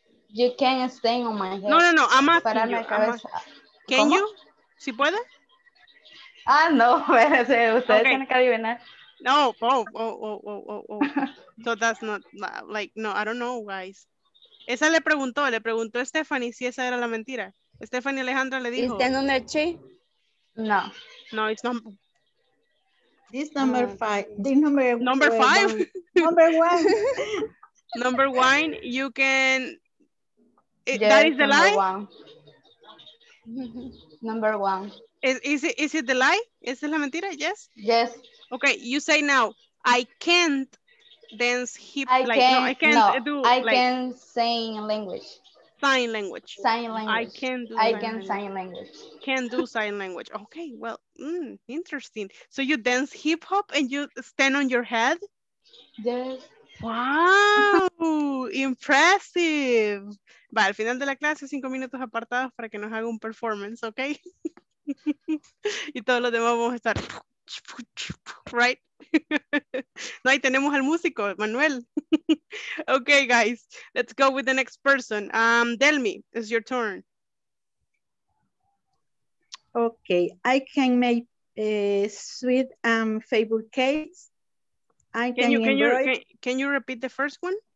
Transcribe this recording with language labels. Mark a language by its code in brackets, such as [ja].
[en] You can stand on my head. No, no, no, I'm asking para you. I'm asking. Can ¿cómo? You? [es] ¿Sí puede? Ah, no, ustedes [en] okay. [es] Tienen que adivinar. [en] No, oh. So that's not, like, no, I don't know, guys. [es] Esa le preguntó a Stephanie si esa era la mentira. Stephanie Alejandra le dijo. ¿Está en un eche? No. [en] No, it's not. This number five. This number. Number five? One. Number one, you can. Yes, that is the lie? One. Number one. Is it the lie? [es] ¿Esa es la mentira? [en] Yes. Yes. Okay, you say now, I can't dance hip. I can't sign language. Sign language. Sign language. Can do sign language. Okay, well, interesting. So you dance hip hop and you stand on your head? Yes. Wow, impressive. [es] Va, al final de la clase, 5 minutos apartados para que nos haga un performance, okay? Y todos los demás vamos a estar, right? No, ahí tenemos al músico, Manuel. [en] Okay, guys, let's go with the next person. Delmi, it's your turn. Okay, I can make sweet favorite cakes. Can you repeat the first one?